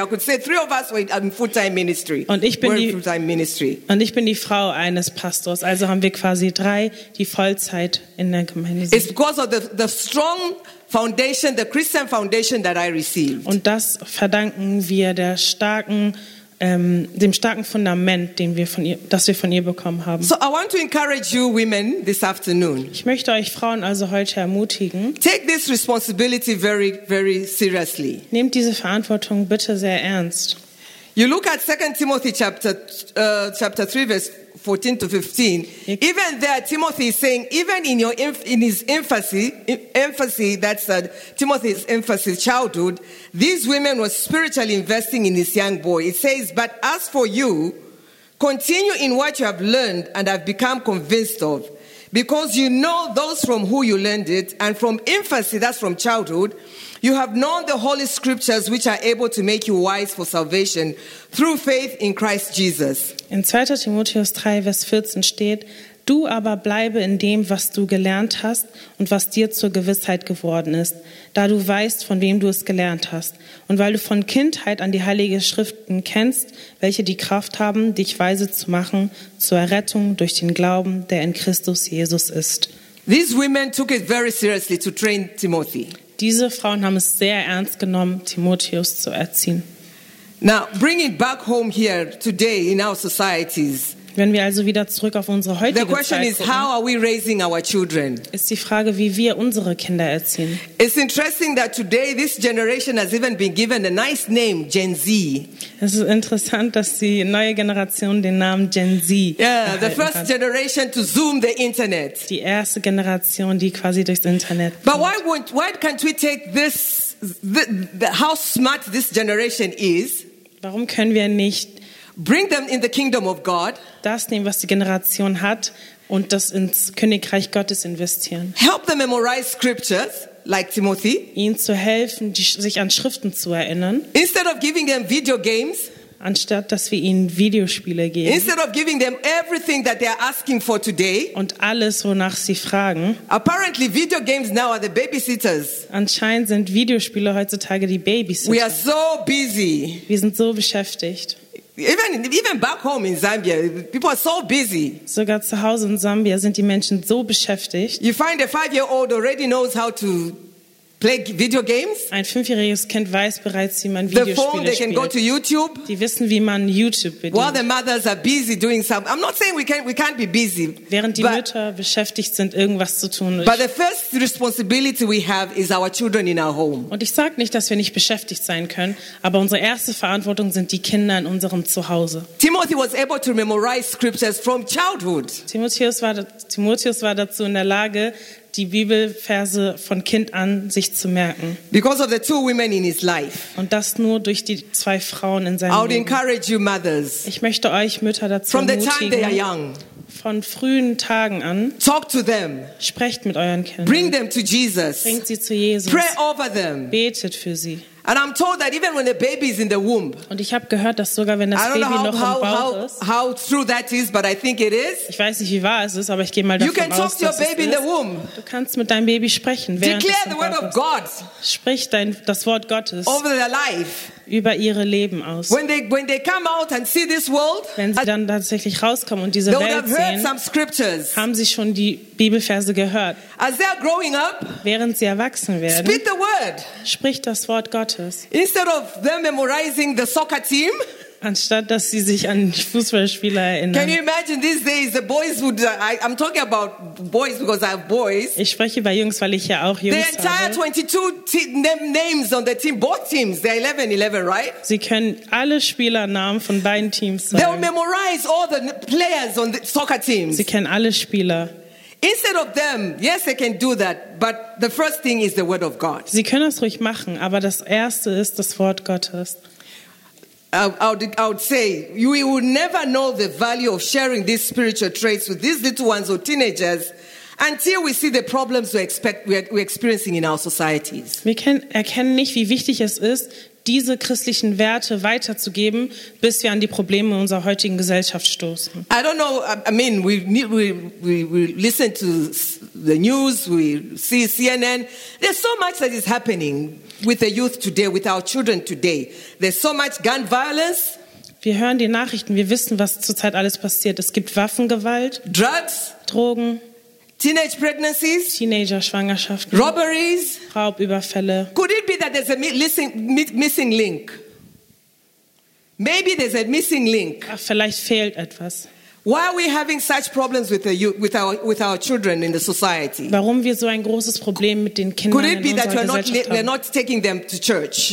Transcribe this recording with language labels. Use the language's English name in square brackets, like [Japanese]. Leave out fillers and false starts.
[English] I could say 3 of us were in full-time ministry. [German] Und ich bin die Frau eines Pastors. Also haben wir quasi 3, die Vollzeit in der Gemeinde sind. [English] It's because of the strong foundation, the Christian foundation that I received. [German] Und das verdanken wir dem starken Fundament, das wir von ihr bekommen haben. [English] So I want to encourage you women this afternoon. [German] Ich möchte euch Frauen also heute ermutigen. [English] Take this responsibility very, very seriously. [German] Nehmt diese Verantwortung bitte sehr ernst. [English] You look at 2 Timothy chapter 3 verse 14 to 15. Even there Timothy is saying, even in Timothy's childhood, these women were spiritually investing in this young boy. It says, but as for you, continue in what you have learned and have become convinced of, because you know those from who you learned it, and from infancy, that's from childhood, you have known the holy scriptures which are able to make you wise for salvation through faith in Christ Jesus. [German] In 2. Timotheus 3, Vers 14 steht, Du aber bleibe in dem, was du gelernt hast und was dir zur Gewissheit geworden ist, da du weißt, von wem du es gelernt hast. Und weil du von Kindheit an die Heilige Schriften kennst, welche die Kraft haben, dich weise zu machen, zur Errettung durch den Glauben, der in Christus Jesus ist. [English] These women took it very seriously to train Timothy. [German] Diese Frauen haben es sehr ernst genommen, Timotheus zu erziehen. [English] Now, bring it back home here today in our societies. [German] Wenn wir also wieder zurück auf unsere heutige Zeit gucken, [English] the question is, how are we raising our children? [German] Ist die Frage, wie wir unsere Kinder erziehen. [English] It's interesting that today this generation has even been given a nice name, Gen Z. [German] Es ist interessant, dass die neue Generation den Namen Gen Z erhalten hat. [English] Yeah, the first generation to zoom the internet. [German] Die erste Generation, die quasi durchs Internet. [English] But why can't we take this? How smart this generation is? [German] Warum können wir nicht? [English] Bring them in the kingdom of God. [German] Das nehmen, was die Generation hat, und das ins Königreich Gottes investieren. [English] Help them memorize scriptures, like Timothy. [German] Ihnen zu helfen, sich an Schriften zu erinnern. [English] Instead of giving them video games. [German] Anstatt dass wir ihnen Videospiele geben. [English] Instead of giving them everything that they are asking for today. [German] Und alles, wonach sie fragen. [English] Apparently, video games now are the babysitters. [German] Anscheinend sind Videospiele heutzutage die Babysitter. [English] We are so busy. [German] Wir sind so beschäftigt. [English] Even back home in Zambia, people are so busy. [German] Sogar zu Hause in Sambia sind die Menschen so beschäftigt. [English] You find a 5-year-old already knows how to play video games. [German] Ein 5-jähriges Kind weiß bereits, wie man Videospiele spielt. [English] The phone, they can go to YouTube. [German] Die wissen, wie man YouTube bedient. [English] While the mothers are busy doing something, I'm not saying we can't be busy. [German] Während die Mütter beschäftigt sind, irgendwas zu tun. [English] But the first responsibility we have is our children in our home. [German] Und ich sage nicht, dass wir nicht beschäftigt sein können, aber unsere erste Verantwortung sind die Kinder in unserem Zuhause. [English] Timothy was able to memorize scriptures from childhood. [German] Timotheus war dazu in der Lage, die Bibelverse von Kind an sich zu merken. [English] Because of the two women in his life. [German] Und das nur durch die zwei Frauen in seinem Leben. [English] Encourage you mothers. [German] Ich möchte euch Mütter dazu [English] from [German] ermutigen. [English] The time they are young. [German] Von frühen Tagen an. [English] Talk to them. [German] Sprecht mit euren Kindern. [English] Bring them to Jesus. [German] Bringt sie zu Jesus. [English] Pray over them. [German] Betet für sie. [English] And I'm told that even when the baby is in the womb. [German] Und ich habe gehört, dass sogar wenn das Baby noch im Bauch ist. [English] How true that is, but I think it is. [German] Ich weiß nicht, wie wahr es ist, aber ich gehe mal davon aus, dass es ist. [English] You can talk to your baby in the womb. [German] Du kannst mit deinem Baby sprechen, während es im Bauch ist. [English] Declare the word of God. [German] Sprich das Wort Gottes. [English] Over their life. [German] Über ihre Leben aus. [English] When they come out and see this world. [German] Wenn sie dann tatsächlich rauskommen und diese Welt sehen, [English] some scriptures. [German] Haben sie schon die Bibelverse gehört. [English] As they are growing up. [German] Während sie erwachsen werden. [English] Speak the word. [German] Sprich das Wort Gottes. [English] Instead of them memorizing the soccer team, [German] anstatt dass sie sich an Fußballspieler erinnern. [English] Can you imagine these days the boys would? I'm talking about boys because I have boys. [German] Ich spreche über Jungs, weil ich ja auch Jungs habe. [English] The entire 22 names on the team, both teams, they're 11-11, right? [German] Sie können alle Spielernamen von beiden Teams sagen. [English] They'll memorize all the players on the soccer teams. [German] Sie kennen alle Spieler. [English] Instead of them, yes, they can do that, but the first thing is the word of God. [German] Sie können es ruhig machen, aber das erste ist das Wort Gottes. [English] I would say you will never know the value of sharing these spiritual traits with these little ones or teenagers until we see the problems we're experiencing in our societies. [German] Wir erkennen nicht, wie wichtig es ist, diese christlichen Werte weiterzugeben, bis wir an die Probleme unserer heutigen Gesellschaft stoßen. [English] I don't know. I mean, we listen to the news, we see CNN. There's so much that is happening with the youth today, with our children today. There's so much gun violence. [German] Wir hören die Nachrichten. Wir wissen, was zurzeit alles passiert. Es gibt Waffengewalt, [English] Drugs, [German] Drogen, [English] teenage pregnancies, [German] Teenager-Schwangerschaften, [English] robberies, [German] Raubüberfälle. [English] Could it be that there's a missing link? Maybe there's a missing link. [German] Ach, vielleicht fehlt etwas. [English] Why are we having such problems with our children in the society? [German] Warum wir so ein großes Problem mit den Kindern in unserer Gesellschaft haben? [English] Could it be that we're not taking them to church?